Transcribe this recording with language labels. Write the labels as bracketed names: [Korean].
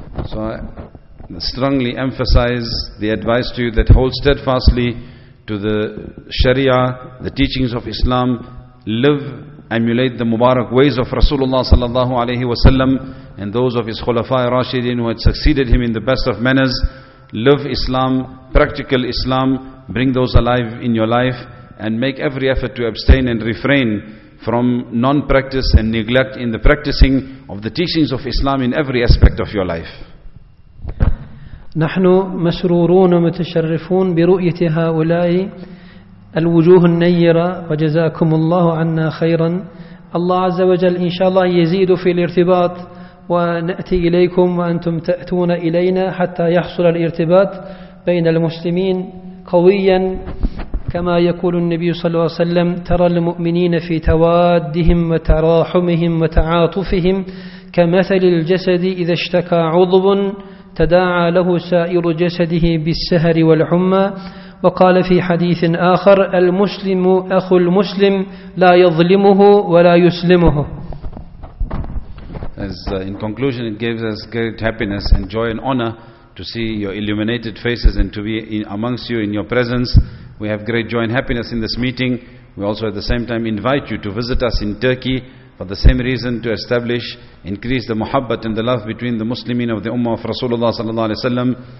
[English] So I strongly emphasize the advice to you that hold steadfastly to the Sharia, the teachings of Islam, live, emulate the Mubarak ways of Rasulullah sallallahu alayhi wa sallam and those of his Khulafa'i Rashidin who had succeeded him in the best of manners. Live Islam, practical Islam, bring those alive in your life, and make every effort to abstain and refrain from non-practice and neglect in the practicing of the teachings of Islam in every aspect of your life. [Arabic] نحن مسرورون ومتشرفون برؤية هؤلاء الوجوه النيرة وجزاكم الله عنا خيرا. الله عز وجل إن شاء الله يزيد في الارتباط ونأتي إليكم وأنتم تأتون إلينا حتى يحصل الارتباط بين المسلمين قويا كما يقول النبي صلى الله عليه وسلم ترى المؤمنين في توادهم وتراحمهم وتعاطفهم كمثل الجسد إذا اشتكى عضو تداعى له سائر جسده بالسهر والحمى وقال في حديث آخر المسلم أخو المسلم لا يظلمه ولا يسلمه. [English] As in conclusion, it gives us great happiness and joy and honor to see your illuminated faces and to be in amongst you in your presence. We have great joy and happiness in this meeting. We also at the same time invite you to visit us in Turkey for the same reason, to establish, increase the muhabbat and the love between the Muslimin of the Ummah of Rasulullah sallallahu alayhi wa sallam.